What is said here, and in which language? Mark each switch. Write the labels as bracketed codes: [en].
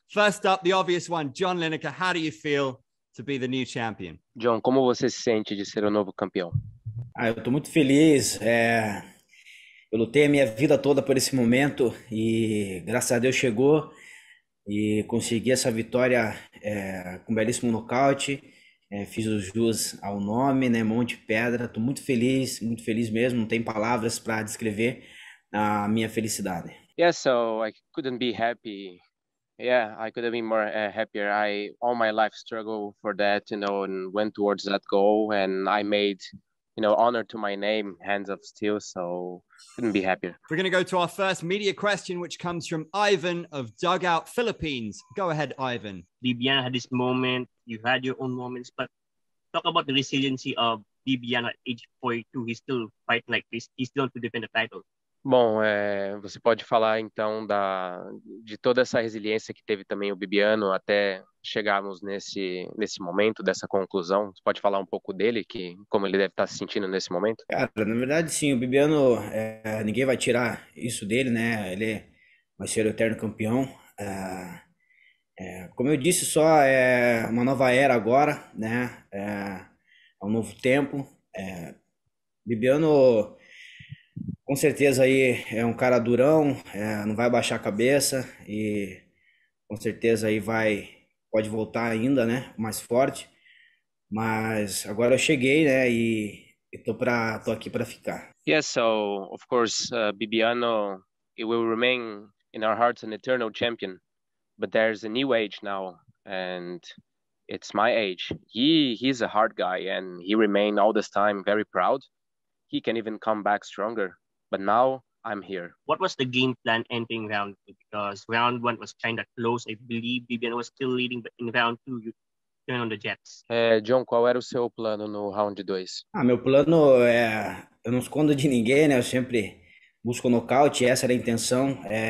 [en] First up, the obvious one, John Lineker, how do you feel to be the new champion? [pt] John, como você se sente de ser o novo campeão? Ah, eu tô muito feliz. Eu lutei a minha vida toda por esse momento e graças a Deus chegou e consegui essa vitória com um belíssimo nocaute. Fiz os jus ao nome, né? Mão de pedra. Tô muito feliz mesmo. Não tem palavras para descrever a minha felicidade. [en] Yeah, so I couldn't be happy. Yeah, I could have been more happier. I all my life struggled for that, you know, and went towards that goal, and I made, you know, honor to my name, Hands of Steel. So couldn't be happier. We're gonna go to our first media question, which comes from Ivan of Dugout Philippines. Go ahead, Ivan. Bibiana had this moment. You had your own moments, but talk about the resiliency of Bibiana at age 42. He's still fighting like this. He's still to defend the title. [pt] Bom, você pode falar então de toda essa resiliência que teve também o Bibiano até chegarmos nesse momento, dessa conclusão? Você pode falar um pouco dele, que como ele deve estar se sentindo nesse momento? Cara, na verdade sim, o Bibiano, ninguém vai tirar isso dele, né? Ele vai ser o eterno campeão. Como eu disse, só é uma nova era agora, né? É um novo tempo. Bibiano... Com certeza aí é um cara durão, não vai baixar a cabeça e com certeza aí pode voltar ainda, né, mais forte. Mas agora eu cheguei, né, e tô aqui para ficar. [en] Yes, so of course Bibiano, he will remain in our hearts an eternal champion, but there's a new age now and it's my age. He's a hard guy and he remained all this time very proud. He can even come back stronger. But now I'm here. What was the game plan ending round two? Because round one was kind of close. I believe Bibiano was still leading, but in round two, you turn on the jets. [pt] John, qual era o seu plano no round 2? Ah, meu plano é... Eu não escondo de ninguém, né? Eu sempre busco nocaute. Essa era a intenção.